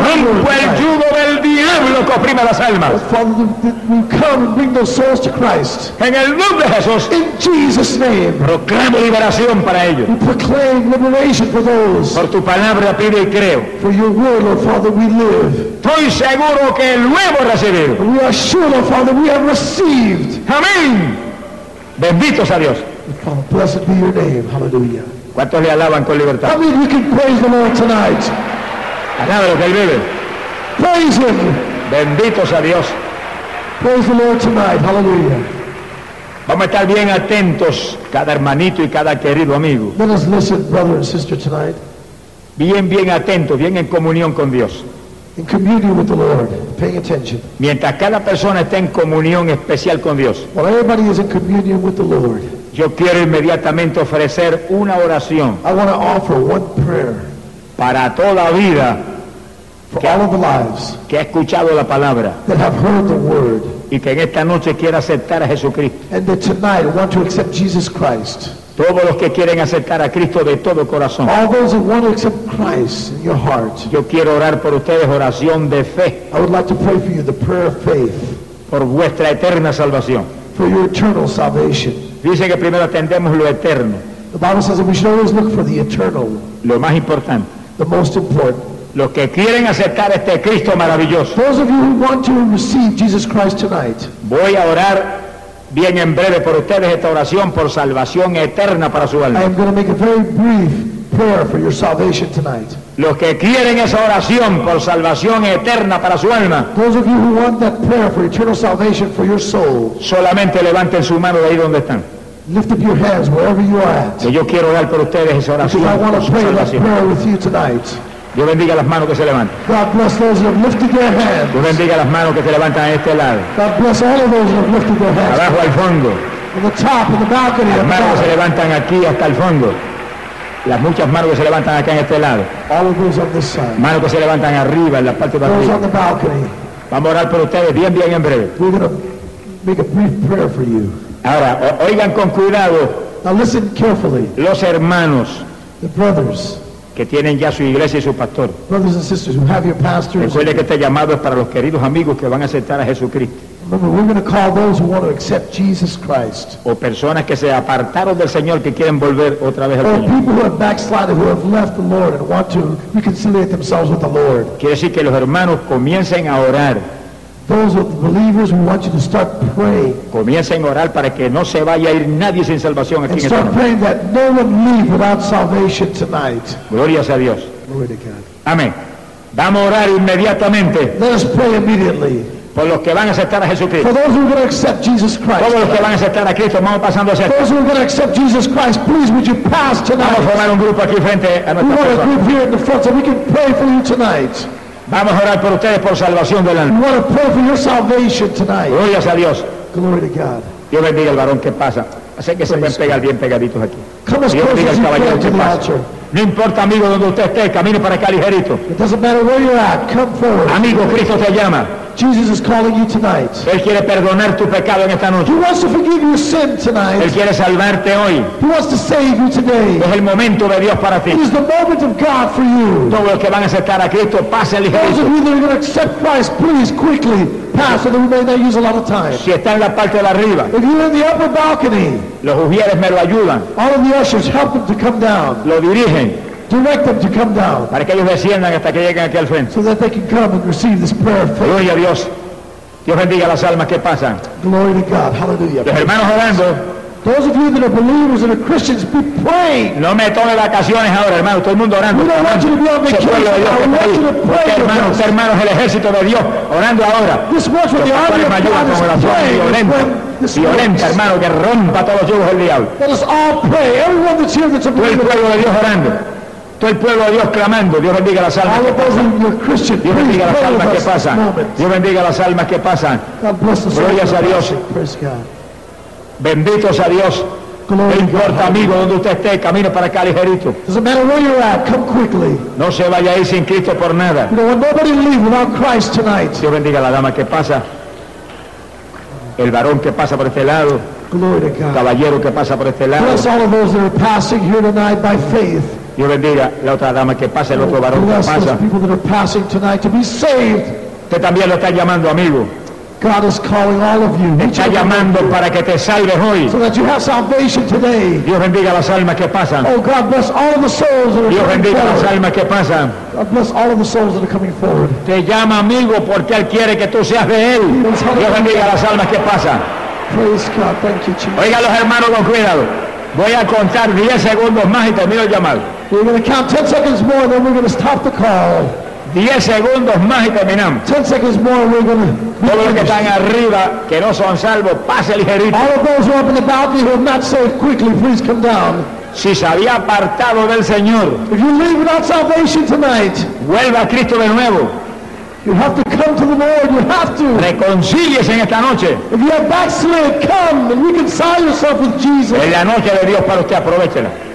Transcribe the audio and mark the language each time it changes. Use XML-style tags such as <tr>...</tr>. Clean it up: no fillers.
<es>rompo</es> <en>tonight,</en> <es>el yugo del diablo que oprime las almas.</es> <en>Lord, Father, we come and bring those souls to Christ.</en> <es>En el nombre de Jesús.</es> <en>In Jesus' name.</en> <es>Proclamo liberación para ellos.</es> <en>We proclaim liberation for those.</en> <es>Por tu palabra pido y creo.</es> <en>For your word, Lord Father, we live.</en> <es>Estoy seguro que luego recibir.</es> <en>We are sure, Lord Father, we have received.</en> <es>Amén. Benditos a Dios.</es> <en>Father, blessed be your name. Hallelujah.</en> <es>¿Cuántos le alaban con libertad?</es> <en>I mean, we can praise the Lord tonight.</en> <es>Alaba lo que él vive.</es> <en>Praise him.</en> <es>Bendito sea Dios.</es> <en>Praise the Lord tonight. Hallelujah.</en> <es>Vamos a estar bien atentos, cada hermanito y cada querido amigo.</es> <en>Let us listen, brother and sister, tonight.</en> <es>Bien, bien atentos, bien en comunión con Dios.</es> <en>In communion with the Lord, paying attention.</en> <es>Mientras cada persona esté en comunión especial con Dios.</es> <en>While everybody is in communion with the Lord.</en> <es>Yo quiero inmediatamente ofrecer una oración.</es> <en>I want to offer one prayer.</en> <es>Para toda vida.</es> <en>For all of the lives.</en> <es>Que ha escuchado la palabra.</es> <en>That have heard the word.</en> <es>Y que en esta noche quiera aceptar a Jesucristo.</es> <en>And that tonight want to accept Jesus Christ.</en> <es>Todos los que quieren aceptar a Cristo de todo corazón.</es> <en>All those who want to accept Christ in your heart.</en> <es>Yo quiero orar por ustedes, oración de fe.</es> <en>I would like to pray for you the prayer of faith.</en> <es>Por vuestra eterna salvación.</es> <en>For your eternal salvation.</en> <es>Dice que primero atendemos lo eterno.</es> <en>The Bible says that we should always look for the eternal.</en> <es>Lo más importante.</es> <en>The most important.</en> <es>Los que quieren aceptar este Cristo maravilloso.</es> <en>Those of you who want to receive Jesus Christ tonight.</en> <es>Voy a orar bien en breve por ustedes esta oración por salvación eterna para su alma.</es> <en>I am going to make a very brief prayer for your salvation tonight.</en> <es>Los que quieren esa oración por salvación eterna para su alma.</es> <en>Those of you who want that prayer for eternal salvation for your soul.</en> <es>Solamente levanten su mano de ahí donde están.</es> <en>Lift up your hands wherever you are at.</en> <es>Que yo quiero orar por ustedes esa oración.</es> <en>Because I want to pray</en> <es>salvación.</es> <en>That prayer with you tonight.</en> <es>Dios bendiga las manos que se levantan.</es> <en>God bless those who have lifted their hands.</en> <es>Dios bendiga las manos que se levantan a este lado.</es> <en>God bless all of those who have lifted their hands.</en> <es>Abajo al fondo.</es> <en>On the top, on the balcony.</en> <es>Las manos que se levantan aquí hasta el fondo. Las muchas manos que se levantan acá en este lado.</es> <en>All of those on this side.</en> <es>Manos que se levantan arriba en la parte de</es> <en>those</en> <es>arriba.</es> <en>On the balcony.</en> <es>Vamos a orar por ustedes bien, bien en breve.</es> <en>We're going to make a brief prayer for you.</en> <es>Ahora, oigan con cuidado.</es> <en>Now listen carefully.</en> <es>Los hermanos.</es> <en>The brothers.</en> <es>Que tienen ya su iglesia y su pastor.</es> <en>Brothers and sisters, you have your pastors.</en> <es>Recuerde que este llamado es para los queridos amigos que van a aceptar a Jesucristo.</es> <en>Remember, we're going to call those who want to accept Jesus Christ.</en> <es>O personas que se apartaron del Señor que quieren volver otra vez al Señor.</es> <en>Or people who have backslided, who have left the Lord and want to reconcile themselves with the Lord.</en> <es>Quiere decir que los hermanos comiencen a orar.</es> <en>Those of the believers who want you to start praying.</en> <es>Comiencen a orar para que no se vaya a ir nadie sin salvación aquí en esta noche.</es> <en>And start praying that no one leave without salvation tonight.</en> <es>Gloria a Dios.</es> <en>Glory to God.</en> <es>Amén. Vamos a orar inmediatamente.</es> <en>Let us pray immediately.</en> <es>Por los que van a aceptar a Jesucristo.</es> <en>For those who are going to accept Jesus Christ.</en> <es>Todos los que van a aceptar a Cristo, vamos pasando a ser.</es> <en>Those who are going to accept Jesus Christ, please would you pass tonight?</en> <es>Vamos a formar un grupo aquí frente a nuestra persona.</es> <en>We want a group here in the front so we can pray for you tonight.</en> <es>Vamos a orar por ustedes por salvación del alma.</es> <en>We want to pray for your salvation tonight.</en> <es>Gloria a Dios.</es> <en>Glory to God.</en> <es>Dios bendiga al varón que pasa. Así que se pueden pegar bien pegaditos aquí.</es> <en>Come as close as you can to the altar.</en> <es>No importa, amigo, donde usted esté, camine para acá ligerito.</es> <en>It doesn't matter where you're at. Come forward.</en> <es>Amigo, Cristo te llama.</es> <en>Jesus is calling you tonight.</en> <es>Él quiere perdonar tu pecado en esta noche.</es> <en>He wants to forgive your sin tonight.</en> <es>Él quiere salvarte hoy.</es> <en>He wants to save you today.</en> <es>Es el momento de Dios para ti.</es> <en>It is the moment of God for you.</en> <es>Todos los que van a aceptar a Cristo, pase ligero.</es> <en>Those of you that are going to accept Christ, please quickly pass, so that we may not use a lot of time.</en> <es>Si está en la parte de arriba.</es> <en>If you're in the upper balcony.</en> <es>Los ujieres me lo ayudan.</es> <en>All of the ushers help them to come down.</en> <es>Lo dirigen.</es> <en>Direct them to come down.</en> <es>Para que ellos desciendan hasta que lleguen aquí al frente.</es> <en>So that they can come and receive this prayer of faith.</en> <es>Gloria a Dios. Dios bendiga las almas que pasan.</es> <en>Glory to God. Hallelujah.</en> <es>Los hermanos orando.</es> <en>Those of you that are believers and are Christians, be praying.</en> <es>No me tome vacaciones ahora, hermano. Todo el mundo orando.</es> <en>We don't want you to be on vacation.</en> <es>Porque hermanos, hermanos, el ejército de Dios orando ahora.</es> <en>This works with the army of God.</en> <es>Violenta, hermano, que rompa todos los yugos del diablo.</es> <en>Let us all pray. Everyone that's here that's a believer.</en> <es>Todo el pueblo de Dios orando. Todo el pueblo de Dios clamando. Dios bendiga las almas que pasan. Dios bendiga las almas que pasan. Dios bendiga las almas que pasan. Gloria a Dios. Bendito sea Dios. No importa, amigo, donde usted esté, camine para acá ligerito.</es> <en>Doesn't matter where you're at, come quickly.</en> <es>No se vaya ahí sin Cristo por nada.</es> <en>Nobody leave without Christ tonight.</en> <es>Dios bendiga la dama que pasa. El varón que pasa por este lado.</es> <en>Glory to God.</en> <es>Caballero que pasa por este lado.</es> <en>Bless all of those that are passing here tonight by faith.</en> <es>Dios bendiga la otra dama que pasa, el otro varón que pasa.</es> <en>Bless those people that are passing tonight to be saved.</en> <es>Usted también lo está llamando, amigo.</es> <en>God is calling all of you.</en> <es>Está llamando para que te salves hoy.</es> <en>So that you have salvation today.</en> <es>Dios bendiga las almas que pasan.</es> <en>Oh, God bless all of the souls that are</en> <es>Dios bendiga</es> <en>coming forward.</en> <es>Las almas que pasan.</es> <en>God bless all of the souls that are coming forward.</en> <es>Te llama, amigo, porque Él quiere que tú seas de Él. Dios bendiga las almas que pasan.</es> <en>Praise God. Thank you, Jesus.</en> <es>Oiga, los hermanos, con cuidado. Voy a contar 10 segundos más y termino el llamado.</es> <en>We're going to count 10 seconds more, and then we're going to stop the call.</en> <es>10 segundos más y terminamos.</es> <en>10 seconds more and we're gonna be</en> <es>todos los que están arriba que no son salvos, pase ligerito.</es> <en>All of those who are up in the balcony who are not saved, quickly please come down.</en> <es>Si se había apartado del Señor,</es> <en>if you leave without salvation tonight,</en> <es>vuelva a Cristo de nuevo.</es> <en>You have to come to the Lord. You have to.</en> <es>Reconcíliese en esta noche.</es> <en>If you have backslid, come and reconcile yourself with Jesus.</en> <es>En la noche de Dios para usted, aprovechela.</es>